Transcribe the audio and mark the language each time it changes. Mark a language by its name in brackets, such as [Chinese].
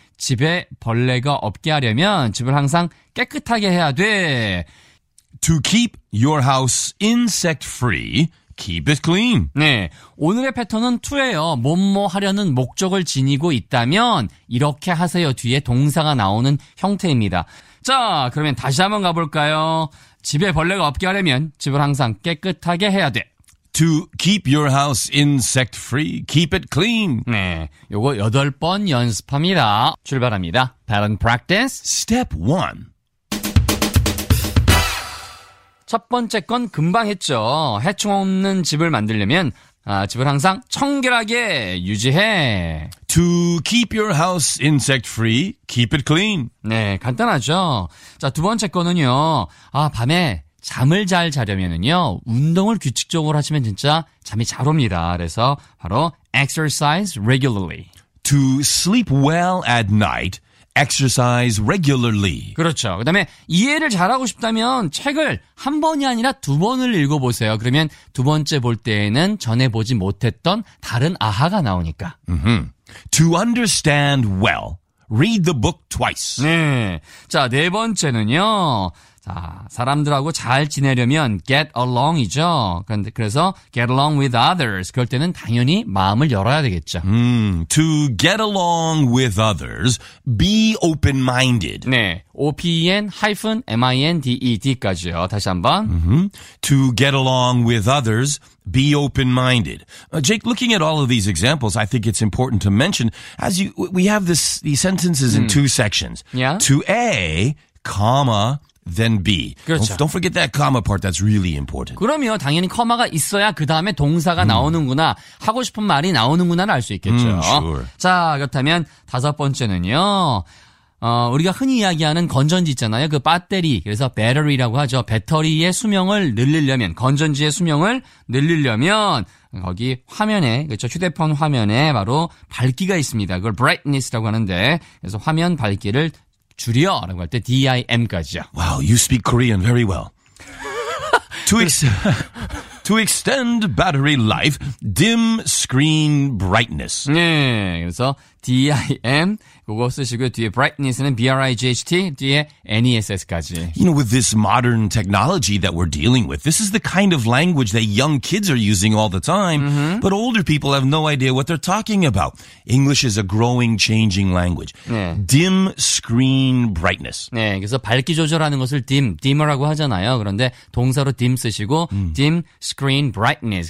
[Korean] 집에 벌레가 없게 하려면 집을 항상 깨끗하게 해야 돼. [English] To keep your house insect free, keep it clean. [Korean] 네, 오늘의 패턴은 2예요. 뭐뭐 하려는 목적을 지니고 있다면 이렇게 하세요 뒤에 동사가 나오는 형태입니다. 자, 그러면 다시 한번 가볼까요? 집에 벌레가 없게 하려면 집을 항상 깨끗하게 해야 돼. [English] To keep your house insect free, keep it clean. [Korean] 네, 요거 8번 연습합니다. 출발합니다. [English] Pattern practice. Step 1. [Korean] 첫 번째 건 금방 했죠. 해충 없는 집을 만들려면 집을 항상 청결하게 유지해. [English] To keep your house insect free, keep it clean. [Korean] 네, 간단하죠. 자, 두 번째 거는요. 아, 밤에 잠을 잘 자려면은요. 운동을 규칙적으로 하시면 진짜 잠이 잘 옵니다. 그래서 바로 [English] exercise regularly. To sleep well at night, exercise regularly. [Korean] 그렇죠. 그 다음에 이해를 잘하고 싶다면 책을 한 번이 아니라 두 번을 읽어보세요. 그러면 두 번째 볼 때에는 전에 보지 못했던 다른 아하가 나오니까. Mm-hmm. [English] To understand well, read the book twice. [Korean] 네. 자, 네 번째는요. 자, 사람들하고 잘 지내려면 [English] get along [Korean] 이죠. [English] 그래서 get along with others. [Korean] 그럴 때는 당연히 마음을 열어야 되겠죠. [English] To get along with others, be open-minded. [Korean] 네, open-minded까지요. 다시 한번. Mm-hmm. [English] To get along with others, be open-minded. Jake, looking at all of these examples, I think it's important to mention, as you, we have this, these sentences in two sections. Yeah. To A, comma, then B. [Korean] 그렇죠. [English] Don't forget that comma part. That's really important. [Korean] 그럼요. 당연히 comma가 있어야 그 다음에 동사가 나오는구나. 하고 싶은 말이 나오는구나를 알 수 있겠죠. [English] Sure. [Korean] 자, 그렇다면 다섯 번째는요. 우리가 흔히 이야기하는 건전지 있잖아요. 그 배터리. 그래서 battery라고 하죠. 배터리의 수명을 늘리려면, 건전지의 수명을 늘리려면 거기 화면에, 그렇죠. 휴대폰 화면에 바로 밝기가 있습니다. 그걸 brightness라고 하는데 그래서 화면 밝기를 줄여라고 할 때 DIM까지요. [English] Wow, you speak Korean very well. To extend battery life, dim screen brightness. [Korean] 네, 그래서 DIM 그거 쓰시고 뒤에 brightness는 BRIGHT 뒤에 NESS까지. [English] You know, with this modern technology that we're dealing with, this is the kind of language that young kids are using all the time, mm-hmm. but older people have no idea what they're talking about. English is a growing, changing language. [Korean] 네. [English] Dim screen brightness. [Korean] 네, 그래서 밝기 조절하는 것을 dim, dimmer라고 하잖아요. 그런데 동사로 dim 쓰시고 [English] dim screen brightness.